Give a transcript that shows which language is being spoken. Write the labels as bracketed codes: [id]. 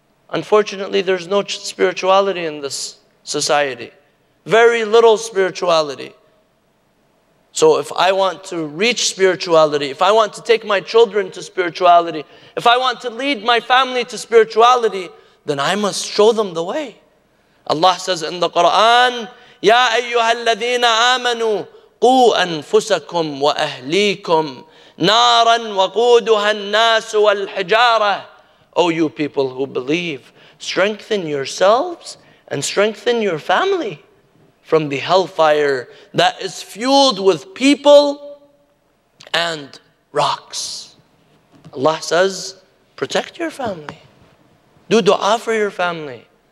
[en] Unfortunately, there's no spirituality in this society. Very little spirituality. So if I want to reach spirituality, if I want to take my children to spirituality, if I want to lead my family to spirituality, then I must show them the way. Allah says in the Quran, [ar] يَا أَيُّهَا الَّذِينَ آمَنُوا قُوْ أَنفُسَكُمْ وَأَهْلِيكُمْ نَارًا وَقُودُهَا النَّاسُ وَالْحِجَارَةُ. [en] O you people who believe, strengthen yourselves and strengthen your family from the hellfire that is fueled with people and rocks. Allah says, protect your family. Do dua for your family.